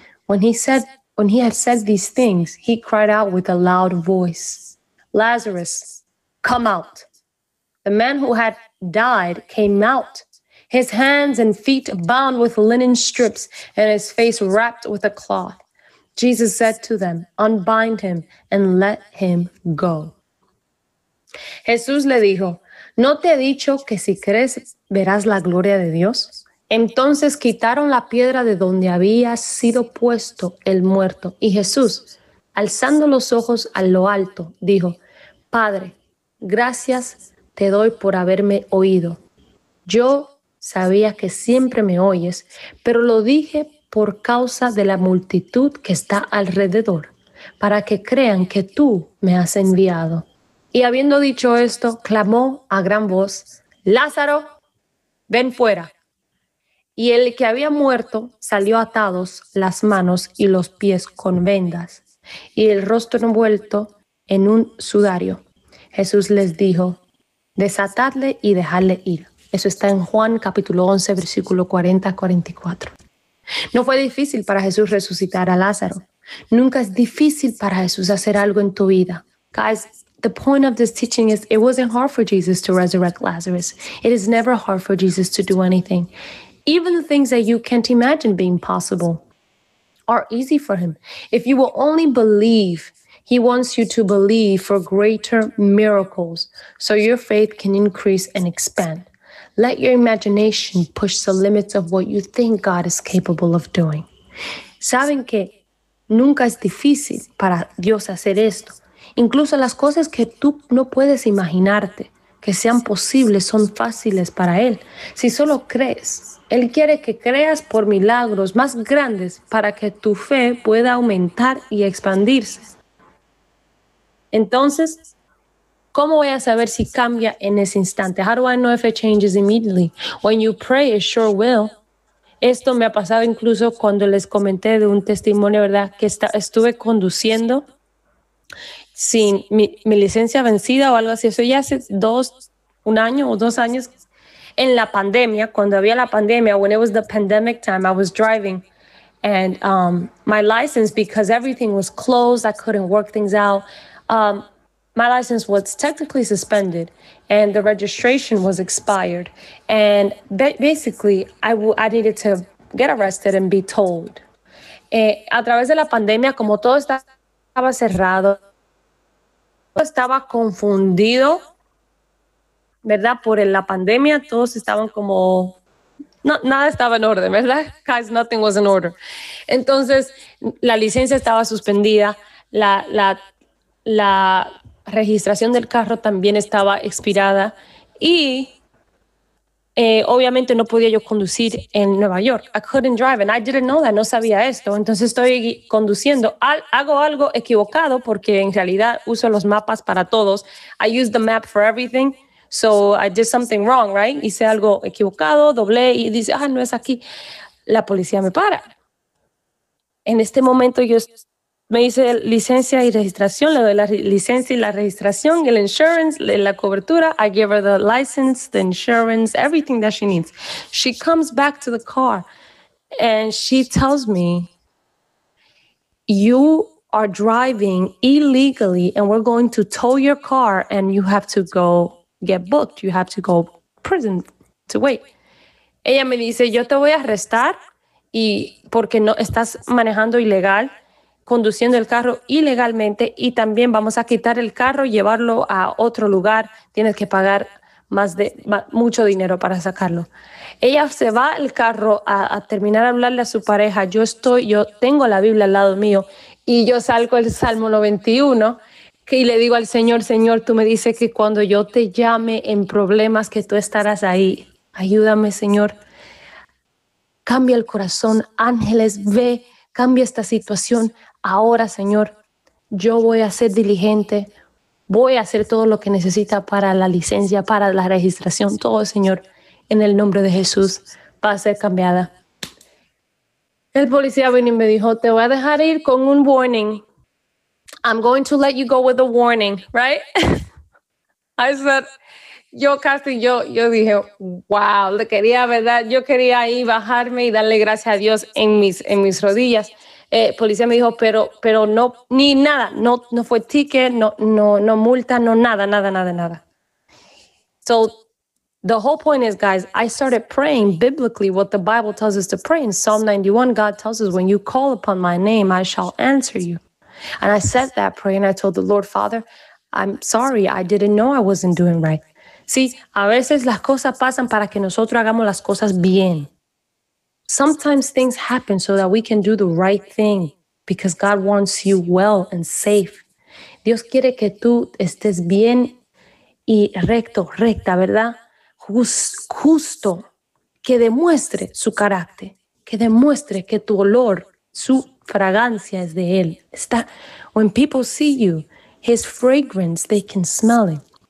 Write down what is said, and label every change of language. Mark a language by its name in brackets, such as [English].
[English] When he had said these things, he cried out with a loud voice, "Lazarus, come out." The man who had died came out, his hands and feet bound with linen strips and his face wrapped with a cloth. Jesus said to them, "Unbind him and let him go." [Spanish] Jesús le dijo, "¿No te he dicho que si crees verás la gloria de Dios?" Entonces quitaron la piedra de donde había sido puesto el muerto. Y Jesús, alzando los ojos a lo alto, dijo, "Padre, gracias te doy por haberme oído. Yo sabía que siempre me oyes, pero lo dije por causa de la multitud que está alrededor, para que crean que tú me has enviado." Y habiendo dicho esto, clamó a gran voz, "Lázaro, ven fuera." Y el que había muerto salió atados las manos y los pies con vendas, y el rostro envuelto en un sudario. Jesús les dijo, "Desatadle y dejadle ir." Eso está en Juan capítulo 11, versículo 40 a 44. No fue difícil para Jesús resucitar a Lázaro. Nunca es difícil para Jesús hacer algo en tu vida. [English] Guys, the point of this teaching is it wasn't hard for Jesus to resurrect Lazarus. It is never hard for Jesus to do anything. Even the things that you can't imagine being possible are easy for him. If you will only believe, he wants you to believe for greater miracles so your faith can increase and expand. Let your imagination push the limits of what you think God is capable of doing. [Spanish] Saben que nunca es difícil para Dios hacer esto. Incluso las cosas que tú no puedes imaginarte que sean posibles son fáciles para Él. Si solo crees, Él quiere que creas por milagros más grandes para que tu fe pueda aumentar y expandirse. Entonces, ¿cómo voy a saber si cambia en ese instante? [English] How do I know if it changes immediately? When you pray, it sure will. [Spanish] Esto me ha pasado incluso cuando les comenté de un testimonio, ¿verdad? Que estuve conduciendo sin mi licencia vencida o algo así. Eso ya hace un año o dos años. En la pandemia, cuando había la pandemia, [English] when it was the pandemic time, I was driving. And my license, because everything was closed, I couldn't work things out. My license was technically suspended and the registration was expired. And basically, I needed to get arrested and be told. [Spanish] A través de la pandemia, como todo estaba cerrado, estaba confundido, ¿verdad? Por la pandemia, todos estaban como... No, nada estaba en orden, ¿verdad? [English] Guys, nothing was in order. [Spanish] Entonces, la licencia estaba suspendida, la registración del carro también estaba expirada y obviamente no podía yo conducir en Nueva York. [English] I couldn't drive and I didn't know that, [Spanish] no sabía esto. Entonces estoy conduciendo, hago algo equivocado porque en realidad uso los mapas para todos. [English] I use the map for everything, so I did something wrong, right? [Spanish] Hice algo equivocado, doblé y dice, ah, no es aquí. La policía me para. En este momento yo estoy... Me dice licencia y registración, le doy la licencia y la registración, el insurance, la cobertura. [English] I give her the license, the insurance, everything that she needs. She comes back to the car and she tells me, "You are driving illegally and we're going to tow your car and you have to go get booked. You have to go prison to wait." [Spanish] Ella me dice, "Yo te voy a arrestar y porque no estás manejando ilegal, conduciendo el carro ilegalmente, y también vamos a quitar el carro, llevarlo a otro lugar, tienes que pagar mucho dinero para sacarlo." Ella se va al carro a terminar a hablarle a su pareja. Yo tengo la Biblia al lado mío y yo salgo el Salmo 91 y le digo al Señor, "Señor, tú me dices que cuando yo te llame en problemas que tú estarás ahí. Ayúdame, Señor. Cambia el corazón, ángeles, ve, cambia esta situación ahora, Señor. Yo voy a ser diligente, voy a hacer todo lo que necesita para la licencia, para la registración, todo, Señor, en el nombre de Jesús, va a ser cambiada. El policía vino y me dijo, te voy a dejar ir con un warning. [English] I'm going to let you go with a warning, right? I said, [Spanish] yo dije, wow, le quería, ¿verdad? Yo quería ahí bajarme y darle gracias a Dios en mis rodillas. Policía me dijo, pero no, ni nada, no fue ticket, no multa, no nada. [English] So, the whole point is, guys, I started praying biblically what the Bible tells us to pray. In Psalm 91, God tells us, when you call upon my name, I shall answer you. And I said that prayer and I told the Lord, Father, I'm sorry, I didn't know I wasn't doing right. [Spanish] See, a veces las cosas pasan para que nosotros hagamos las cosas bien. [English] Sometimes things happen so that we can do the right thing because God wants you well and safe. [Spanish] Dios quiere que tú estés bien y recto, recta, ¿verdad? Justo, que demuestre su carácter, que demuestre que tu olor, su fragancia es de él. [English] Está, when people see you, his fragrance, they can smell it.